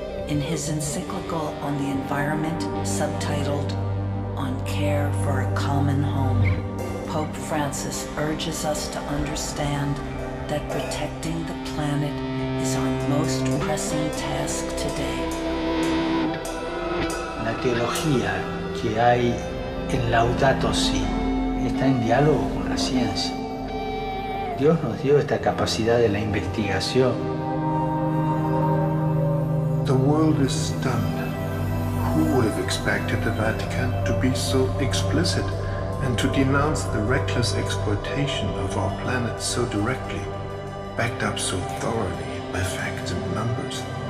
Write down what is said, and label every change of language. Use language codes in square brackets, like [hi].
[en] In his encyclical on the environment, subtitled On Care for a Common Home, Pope Francis urges us to understand that protecting the planet is our most pressing task today. [es] La teología que hay en Laudato Si está en diálogo con la ciencia. Dios nos dio esta capacidad de la investigación. [en] The world is stunned. Who would have expected the Vatican to be so explicit and to denounce the reckless exploitation of our planet so directly, backed up so thoroughly by facts and numbers?